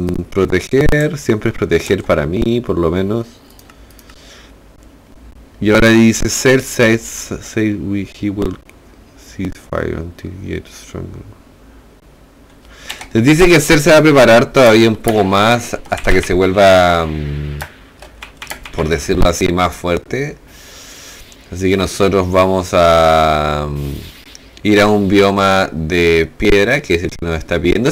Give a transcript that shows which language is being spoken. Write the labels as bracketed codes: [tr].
[es] Proteger, siempre es proteger para mí, por lo menos. Y ahora dice [en] Cell says he will cease fire until he gets stronger. [es] Se dice que Cell se va a preparar todavía un poco más hasta que se vuelva, por decirlo así, más fuerte. Así que nosotros vamos a ir a un bioma de piedra, que es el que nos está pidiendo.